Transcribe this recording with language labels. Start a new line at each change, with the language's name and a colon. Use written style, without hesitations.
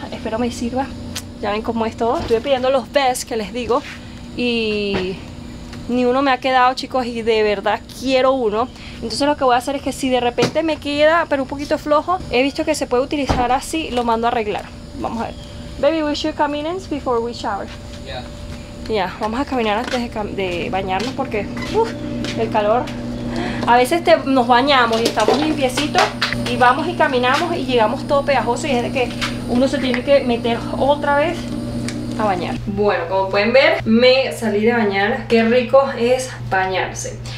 Spanish: Espero me sirva. Ya ven cómo es todo. Estuve pidiendo los best que les digo. Y ni uno me ha quedado, chicos. Y de verdad quiero uno. Entonces lo que voy a hacer es que si de repente me queda, pero un poquito flojo, he visto que se puede utilizar así, lo mando a arreglar. Vamos a ver.
English: Baby, we should come in before we shower. Yeah,
Spanish: vamos a caminar antes de bañarnos porque el calor. A veces nos bañamos y estamos limpiecitos y vamos y caminamos y llegamos todo pegajoso y es de que uno se tiene que meter otra vez a bañar. Bueno, como pueden ver, me salí de bañar. Qué rico es bañarse.